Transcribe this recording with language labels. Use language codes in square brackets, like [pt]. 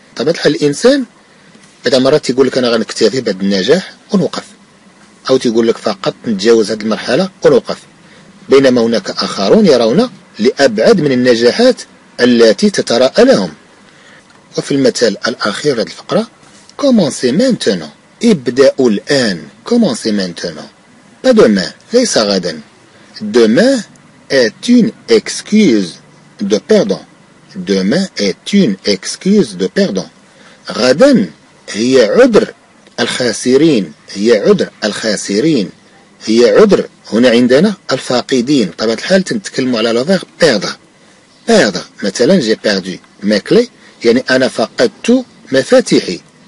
[ar] طبعا الحال الانسان اذا مرات يقول لك انا غنكتفي بهذا النجاح ونوقف، او تيقول لك فقط نتجاوز هذه المرحله ونوقف، بينما هناك اخرون يرون لابعد من النجاحات التي تتراءى لهم. وفي المثال الاخير لهذه الفقره [fr] commencez maintenant، [ar] ابداوا الان. [fr] commencez maintenant pas demain، [ar] ليس غدا. [fr] demain est une excuse de perdre، demain est une excuse de perdre. [ar] غدا هي عذر الخاسرين، هي عذر الخاسرين، هي عذر هنا عندنا الفاقدين. طبعا الحال تنتكلموا على لو فيغ perdre، perdre مثلا جي [fr] perdu mes clés [ar] يعني انا فقدت مفاتيحي.